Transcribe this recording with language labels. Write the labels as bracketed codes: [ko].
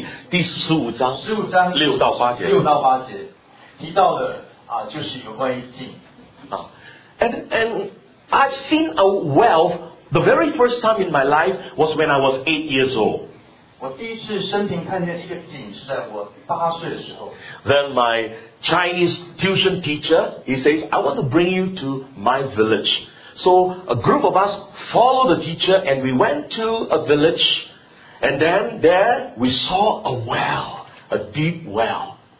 [zh] 第十五章六到八节，提到的就是有关于井。 [en] And I've seen a well the very first time in my life was when I was 8 years old. [zh] 我第一次生平看见一个井是在我八岁的时候。 [en] Then my Chinese tuition teacher, he says, I want to bring you to my village. So a group of us followed the teacher and we went to a village. And then there we saw a well, a deep well.